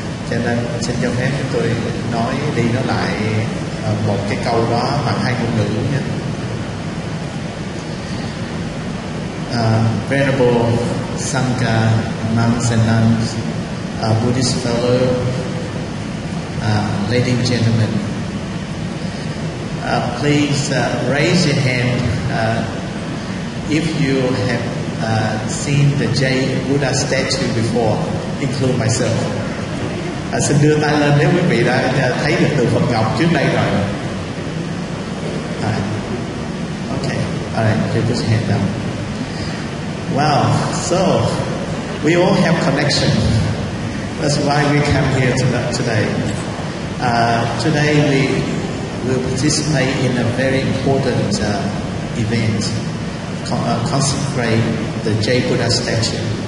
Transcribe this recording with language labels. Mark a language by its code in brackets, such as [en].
[vi] Cho nên xin cho phép chúng tôi nói đi nói lại một cái câu đó bằng hai ngôn ngữ nhé. [en] Venerable Sangha, monks and nuns, Buddhist fellow, ladies and gentlemen, please raise your hand if you have seen the Jay Buddha statue before, include myself. [vi] Xin đưa tay lên nếu quý vị đã thấy được tượng Phật Ngọc trước đây rồi. [en] Okay, alright, you just hand down. Wow, so we all have connection. That's why we come here today. Today we will participate in a very important event, consecrate the Jay Buddha statue.